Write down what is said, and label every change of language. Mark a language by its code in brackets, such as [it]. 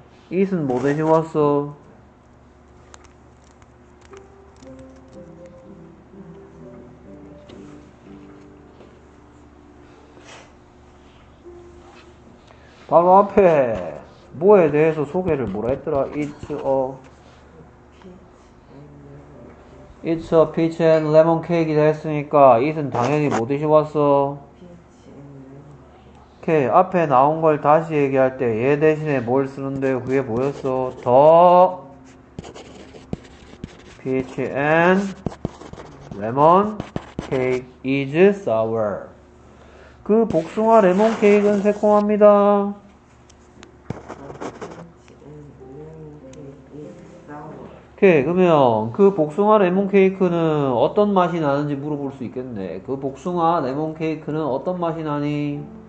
[ko] It은 뭐 대신 왔어? 바로 앞에 뭐에 대해서 소개를 뭐라 했더라? [en] It's a It's a peach and lemon cake이다 [ko] 했으니까 it은 당연히 뭐 드셔봤어? [en] 오케이, 앞에 나온 걸 다시 얘기할 때 얘 대신에 뭘 쓰는데 후에 뭐였어? The peach and lemon cake is sour. [ko] 그 복숭아 레몬 케이크는 새콤합니다. 오케이, 그러면 그 복숭아 레몬 케이크는 어떤 맛이 나는지 물어볼 수 있겠네. 그 복숭아 레몬 케이크는 어떤 맛이 나니?